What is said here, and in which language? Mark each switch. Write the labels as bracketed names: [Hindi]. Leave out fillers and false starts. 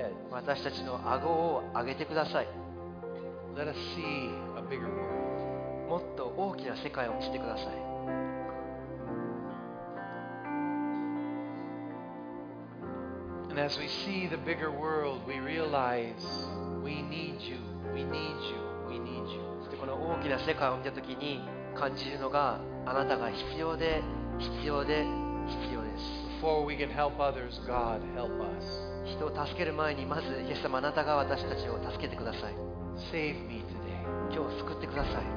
[Japanese] 私たちの顎を上げてください。 [English] Let us see a bigger world. [Japanese] もっと大きな世界を見せてください。 [English] And as we see the bigger world, we realize we need you, we need you, we need you. [Japanese] そしてこの大きな世界を見たときに感じるのが、あなたが必要で、必要で、必要です。 [English] Before we can help others, God help us. [Japanese] 人を助ける前に、まずイエス様、あなたが私たちを助けてください。 [English] Save me today. [Japanese] 今日救ってください。